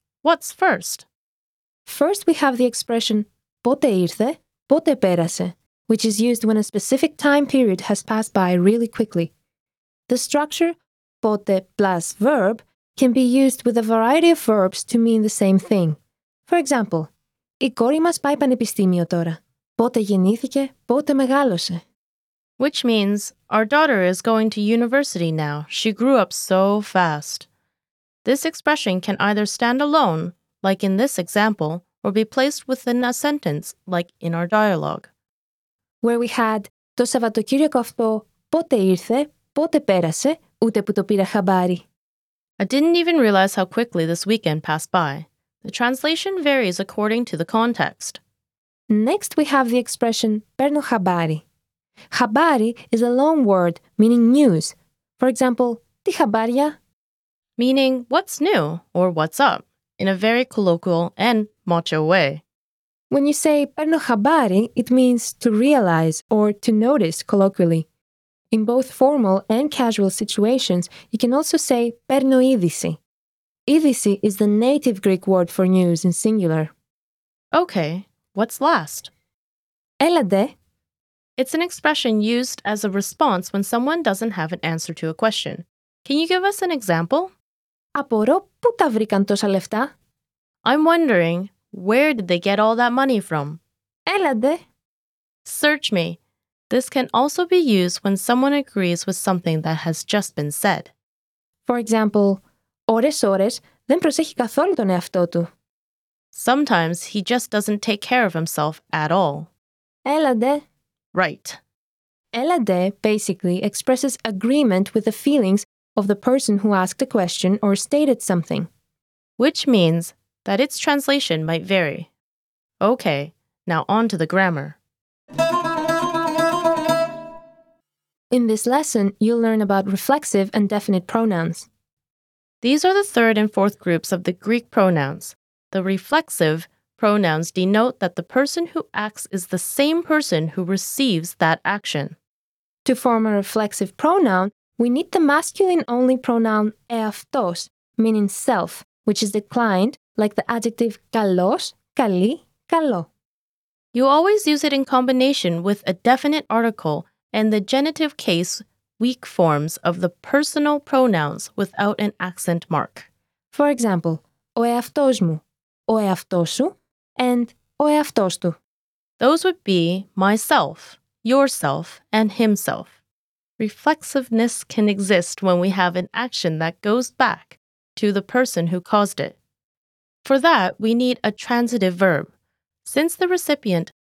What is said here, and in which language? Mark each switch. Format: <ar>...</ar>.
<en>What's first? First, we have the expression</en> <el>πότε ήρθε, πότε πέρασε,</el> <en>which is used when a specific time period has passed by really quickly. The structure πότε plus verb can be used with a variety of verbs to mean the same thing. For example,</en> <el>η κόρη μας πάει πανεπιστήμιο τώρα. Πότε γεννήθηκε, πότε μεγάλωσε.</el> <en>Which means, our daughter is going to university now. She grew up so fast. This expression can either stand alone, like in this example, or be placed within a sentence, like in our dialogue. Where we had</en> <el>το Σαββατοκύριακο αυτό, πότε ήρθε, πότε πέρασε, ούτε που το πήρα χαμπάρι.</el> <en>I didn't even realize how quickly this weekend passed by. The translation varies according to the context. Next, we have the expression</en> <el>παίρνω χαμπάρι.</el> <en>Χαμπάρι is a long word meaning news. For example,</en> <el>τι χαμπάρια?</el> <en>Meaning, what's new or what's up, in a very colloquial and macho way. When you say</en> <el>παίρνω χαμπάρι,</el> <en>it means to realize or to notice colloquially. In both formal and casual situations, you can also say</en> <el>παίρνω είδηση.</el> <en>Είδηση is the native Greek word for news in singular. Okay, what's last?</en> <el>Έλατε.</el> <en>It's an expression used as a response when someone doesn't have an answer to a question. Can you give us an example?</en> <el>Απορώ πού τα βρήκαν τόσα λεφτά.</el> <en>I'm wondering, where did they get all that money from?</en> <el>Έλατε.</el> <en>Search me. This can also be used when someone agrees with something that has just been said. For example,</en> <el>ώρες-ώρες δεν προσέχει καθόλου τον εαυτό του.</el> <en>Sometimes he just doesn't take care of himself at all.</en> <el>Έλατε.</el> <en>Right. Έλατε basically expresses agreement with the feelings of the person who asked a question or stated something. Which means that its translation might vary. Okay, now on to the grammar. In this lesson, you'll learn about reflexive and definite pronouns. These are the third and fourth groups of the Greek pronouns. The reflexive pronouns denote that the person who acts is the same person who receives that action. To form a reflexive pronoun, we need the masculine-only pronoun εαυτός, meaning self, which is declined, like the adjective</en> <el>καλός, καλή, καλό.</el> <en>You always use it in combination with a definite article and the genitive case weak forms of the personal pronouns without an accent mark. For example,</en> <el>ο εαυτός μου, ο εαυτός σου,</el> <en>and</en> <el>ο εαυτός του.</el> <en>Those would be myself, yourself, and himself. Reflexiveness can exist when we have an action that goes back to the person who caused it. For that, we need a transitive verb. Since the recipient</en>